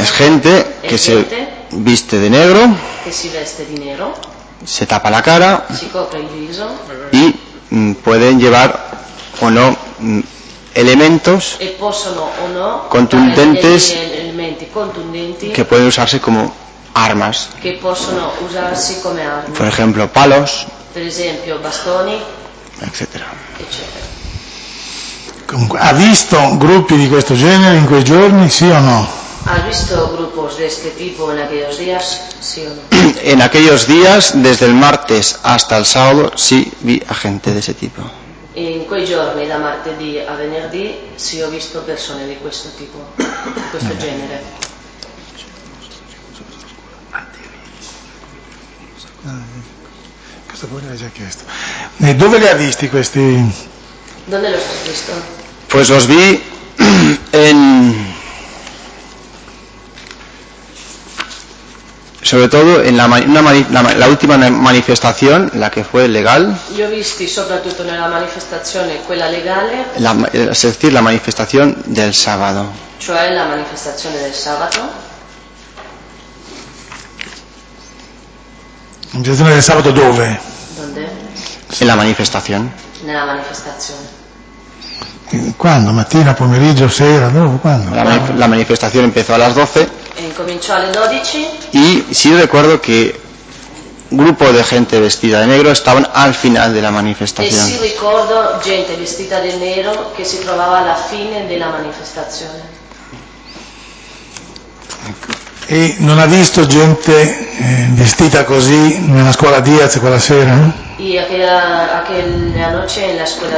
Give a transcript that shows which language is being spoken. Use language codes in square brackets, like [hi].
[es] Es gente que se viste de negro. [it] Que si veste di nero. [es] Se tapa la cara. [it] Si copre il viso. [es] Y pueden llevar o no elementos. [it] E possono o no. [es] Contundentes. [it] Elementi contundenti. [es] Que pueden usarse como armas. [it] Que possono usarsi come armi. [es] Por ejemplo, palos. [it] Per esempio, bastoni. Eccetera. Eccetera. Comunque, ha visto gruppi di questo genere in quei giorni, sì o no? [es] Ha visto grupos de este tipo en aquellos días, sí o no? En aquellos días, desde el martes hasta el sábado, sí vi a gente de ese tipo. [it] In quei giorni, da martedì a venerdì, sì ho visto persone di questo tipo, di questo genere. Questo poi l'hai già chiesto. E dove li ha visti questi? Dove li hai visto? [es] Pues los vi en sobre todo en la última manifestación, la que fue legal. [it] Io ho visti soprattutto nella manifestazione quella legale. [es] Es decir, la manifestación del sábado. [it] Cioè la manifestazione del sabato. La manifestazione del sabato dove? Dove? Nella manifestazione. Nella manifestazione. Quando? Mattina, pomeriggio, sera, dopo, quando? La manifestazione iniziò alle 12. E incominciò alle 12. E sì, ricordo che [es] grupo de gente vestida de negro estaban al final de la manifestación. Y sí recuerdo gente vestida de negro que se trovaba al final de la manifestación. [it] E non ha visto gente vestita così nella scuola Diaz quella sera? E [es] aquella [it] notte nella scuola